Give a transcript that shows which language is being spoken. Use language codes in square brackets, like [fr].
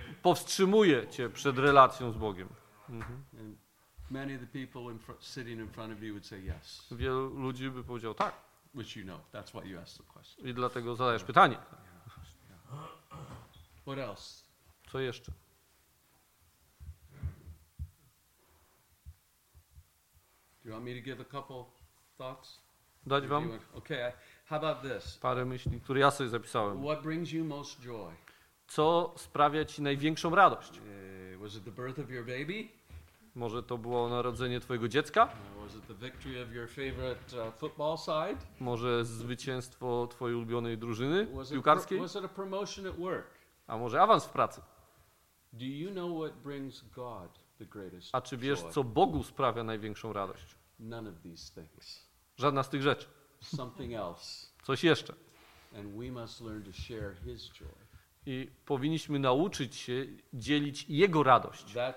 [pl] powstrzymuje cię przed relacją z Bogiem? [en] Many of the people in front, sitting in front of you would say yes. [pl] Wielu ludzi by powiedział tak. [en] Which you know, that's why you asked the question. [pl] I dlatego zadajesz pytanie. [en] What else? [pl] Co jeszcze? [en] Do you want me to give a couple thoughts? [pl] Dać wam? [en] Okay, how about this? [pl] Parę myśli, które ja sobie zapisałem. [en] What brings you most joy? [pl] Co sprawia ci największą radość? [en] Was it the birth of your baby? [pl] Może to było narodzenie twojego dziecka? [en] Was it the victory of your favorite, football side? [pl] Może zwycięstwo twojej ulubionej drużyny piłkarskiej? [en] Was it a promotion at work? [pl] A może awans w pracy? [en] Do you know what brings God the greatest? [pl] A czy wiesz, co Bogu sprawia największą radość? [en] None of these things. [pl] Żadna z tych rzeczy. [en] Something else. [pl] Coś jeszcze. [en] And we must learn to share his joy. [pl] I powinniśmy nauczyć się dzielić jego radość.